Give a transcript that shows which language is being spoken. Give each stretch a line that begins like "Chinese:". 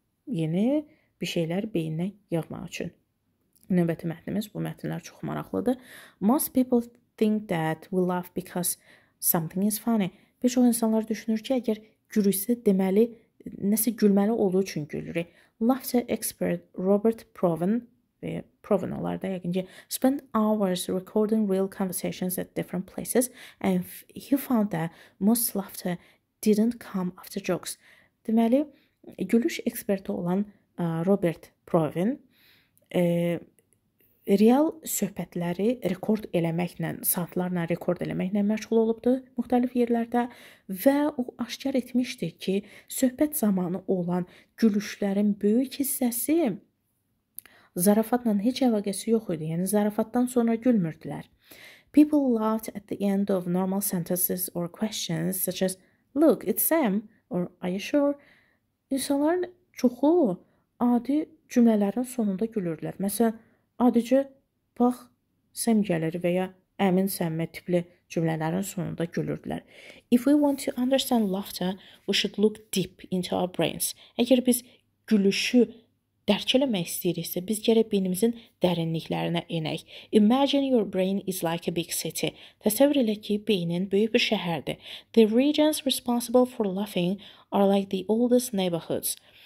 Azerbaijani: Yeni bir şeylər beyninə yığmaq üçün. Növbəti mətnimiz, bu mətnlər çox maraqlıdır.
English: Most people think that we laugh because something is funny.
Azerbaijani: Bir çox insanlar düşünür ki, əgər gülürsə, deməli, nəsə gülməli olduğu üçün gülürük.
English: Laughter expert Robert Proven, Proven
Azerbaijani: olardı, yəqin ki,
English: spent hours recording real conversations at different places and he found that most laughter didn't come after jokes.
Azerbaijani: Deməli, gülüş eksperti olan Robert Proven, real söhbətləri rekord eləməklə, saatlarla rekord eləməklə məşğul olubdu müxtəlif yerlərdə və o aşkar etmişdi ki, söhbət zamanı olan gülüşlərin böyük hissəsi zarafatla heç əlaqəsi yox idi. Yəni, zarafatdan sonra gülmürdülər.
English: People laughed at the end of normal sentences or questions such as, look, it's Sam, or are you sure?
Azerbaijani: İnsanların çoxu adi cümlələrin sonunda gülürdülər. Məsələn, adicə, bax, Sam gəlir və ya əmin Sam tipli cümlələrin sonunda gülürdülər.
English: If we want to understand laughter, we should look deep into our brains.
Azerbaijani: Əgər biz gülüşü dərk eləmək istəyiriksə, biz gərək beynimizin dərinliklərinə enək.
English: Imagine your brain is like a big city.
Azerbaijani: Təsəvvür elə ki, beynin böyük bir şəhərdir.
English: The regions responsible for laughing are like the oldest neighborhoods.